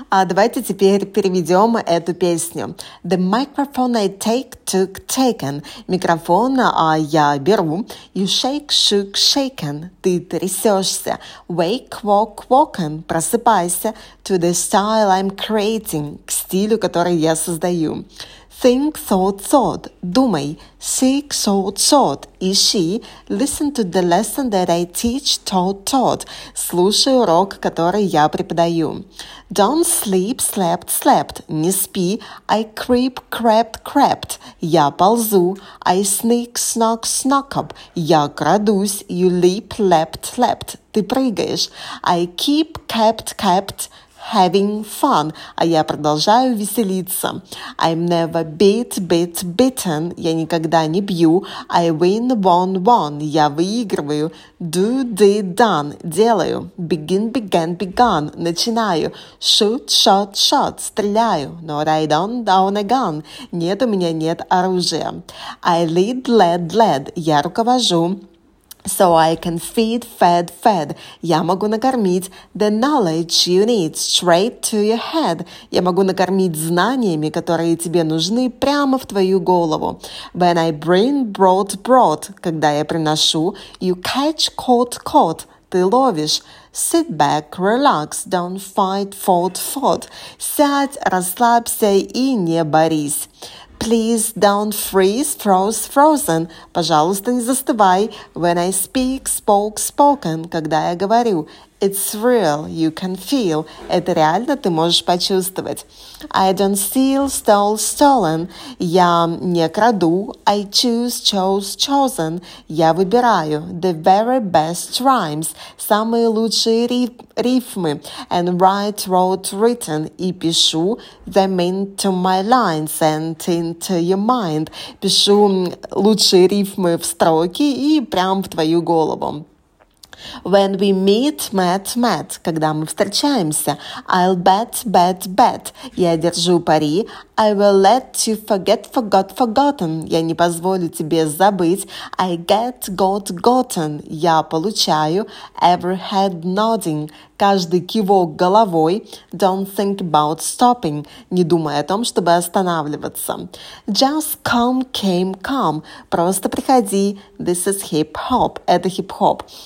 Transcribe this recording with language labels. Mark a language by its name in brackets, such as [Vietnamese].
[Russian] Давайте теперь переведем эту песню. [English] The microphone I take took taken. [Russian] Микрофон я беру. [English] You shake, shook, shaken. [Russian] Ты трясешься. [English] Wake, walk, woken. [Russian] Просыпайся. [English] To the style I'm creating. [Russian] К стилю, который я создаю. [English] Think, thought, thought. [Russian] Думай. [English] Seek, sought, sought. [Russian] Ищи. [English] Listen to the lesson that I teach, taught, taught. [Russian] Слушай урок, который я преподаю. [English] Don't sleep, slept, slept. [Russian] Не спи. [English] I creep, crept, crept. [Russian] Я ползу. [English] I sneak, snuck, snuck up. [Russian] Я крадусь. [English] You leap, leapt, leapt. [Russian] Ты прыгаешь. [English] I keep, kept, kept. Having fun, [Russian] а я продолжаю веселиться. [English] I'm never beat, beat, beaten, [Russian] я никогда не бью. [English] I win, won, won, [Russian] я выигрываю. [English] Do, did, done, [Russian] делаю. [English] Begin, began, begun, [Russian] начинаю. [English] Shoot, shot, shot, [Russian] стреляю. [English] No, I don't, down a gun, [Russian] нет у меня нет оружия. [English] I lead, led, led, [Russian] я руковожу. [English] So I can feed, fed, fed. [Russian] Я могу накормить [English] the knowledge you need straight to your head. [Russian] Я могу накормить знаниями, которые тебе нужны прямо в твою голову. [English] When I bring, brought, brought. [Russian] Когда я приношу, [English] you catch, caught, caught. [Russian] Ты ловишь. [English] Sit back, relax, don't fight, fought, fought. [Russian] Сядь, расслабься и не борись. [English] Please don't freeze, froze, frozen. [Russian] Пожалуйста, не застывай. [English] When I speak, spoke, spoken. [Russian] Когда я говорю, [English] it's real, you can feel. [Russian] Это реально, ты можешь почувствовать. [English] I don't steal, stole, stolen. [Russian] Я не краду. [English] I choose, chose, chosen. [Russian] Я выбираю [English] the very best rhymes. [Russian] Самые лучшие рифмы. [English] And write, wrote, written. [Russian] И пишу [English] them into my lines and into your mind. [Russian] Пишу лучшие рифмы в строки и прям в твою голову. [English] When we meet, met, met, [Russian] когда мы встречаемся, [English] I'll bet, bet, bet, [Russian] я держу пари, [English] I will let you forget, forgot, forgotten, [Russian] я не позволю тебе забыть, [English] I get, got, gotten, [Russian] я получаю, [English] every head nodding, [Russian] каждый кивок головой, [English] don't think about stopping, [Russian] не думай о том, чтобы останавливаться, [English] just come, came, come, [Russian] просто приходи, [English] this is hip-hop, [Russian] это хип-хоп,